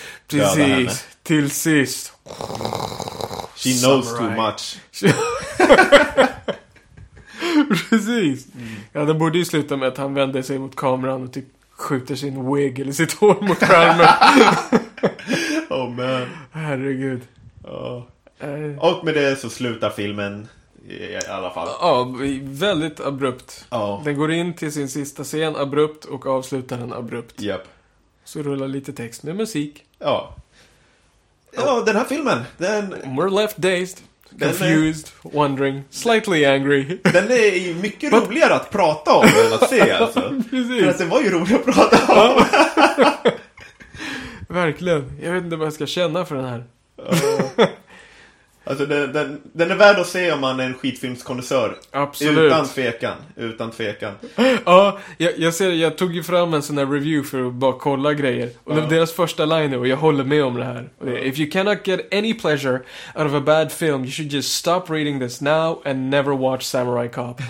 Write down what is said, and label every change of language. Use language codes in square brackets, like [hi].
[sv] precis, till sist. [en] She knows too much. [sv] Precis. Ja, det borde ju sluta med att han vänder sig mot kameran och typ skjuter sin wig eller sitt hår mot skärmen. [en] Oh man. [sv] Herregud. Och med det så slutar filmen i alla fall. Ja, väldigt abrupt. Den går in till sin sista scen abrupt och avslutar den abrupt. [en] Yep. [sv] Så rullar lite text med musik. Ja. Ja, den här filmen, [en] we're left dazed, confused, wondering, slightly angry. [sv] Den är ju mycket roligare att prata om än att se alltså. Precis. För att det var ju roligt att prata om. Verkligen. Jag vet inte vad jag ska känna för den här. Alltså den är värd att se om man är en skitfilmskonnässör. Absolut. Utan tvekan. Ja, jag tog ju fram en sån här review för att bara kolla grejer. Och det var deras första line, och jag håller med om det här. [en] If you cannot get any pleasure out of a bad film, you should just stop reading this now and never watch Samurai Cop.